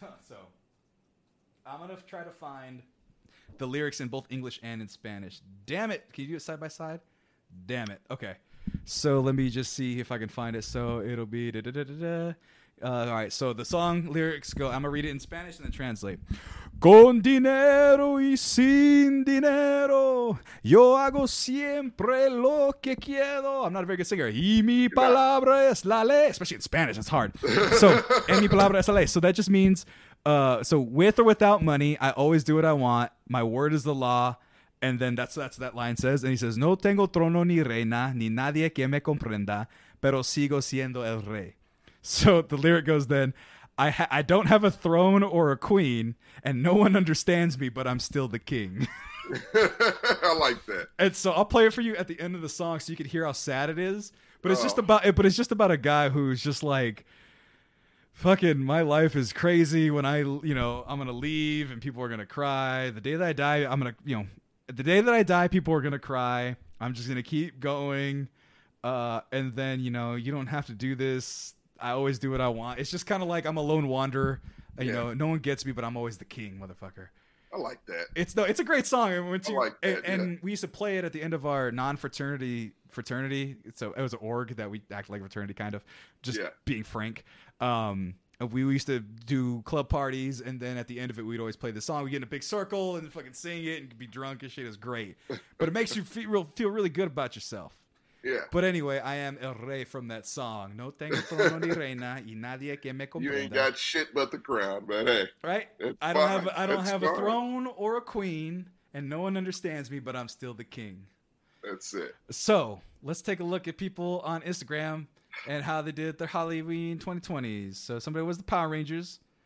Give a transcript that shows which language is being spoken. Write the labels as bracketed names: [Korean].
[English] So I'm gonna try to find the lyrics in both English and in Spanish. Damn it! Can you do it side by side? Damn it. Okay. So let me just see if I can find it. So it'll be da da da da da. All right, so the song lyrics go, I'm going to read it in Spanish and then translate. [Spanish] Con dinero y sin dinero, yo hago siempre lo que quiero. [English] I'm not a very good singer. [Spanish] Y mi palabra es la ley. [English] Especially in Spanish, it's hard. So, [Spanish] en mi palabra es la ley. [English] So that just means, with or without money, I always do what I want. My word is the law. And then that's what that line says. And he says, [Spanish] no tengo trono ni reina, ni nadie que me comprenda, pero sigo siendo el rey. [English] So the lyric goes then, I don't have a throne or a queen, and no one understands me, but I'm still the king. I like that. And so I'll play it for you at the end of the song so you can hear how sad it is. But it's just about a guy who's just like, fucking, my life is crazy when I, you know, I'm going to leave and people are going to cry. The day that I die, I'm going to, you know, the day that I die, people are going to cry. I'm just going to keep going. And then, you know, you don't have to do this. I always do what I want. It's just kind of like I'm a lone wanderer. You know, no one gets me, but I'm always the king, motherfucker. I like that. It's a great song. We used to play it at the end of our non-fraternity fraternity. So it was an org that we act like a fraternity, kind of, being frank. We used to do club parties, and then at the end of it, we'd always play the song. We'd get in a big circle and fucking sing it and be drunk and shit. It was great. But it makes you feel really good about yourself. Yeah. But anyway, I am El Rey from that song. [Spanish] No tengo trono ni reina y nadie que me comprenda. [English] You ain't got shit but the crown, but hey. Right? I don't have a throne or a queen, and no one understands me, but I'm still the king. That's it. So let's take a look at people on Instagram and how they did their Halloween 2020s. So somebody was the Power Rangers.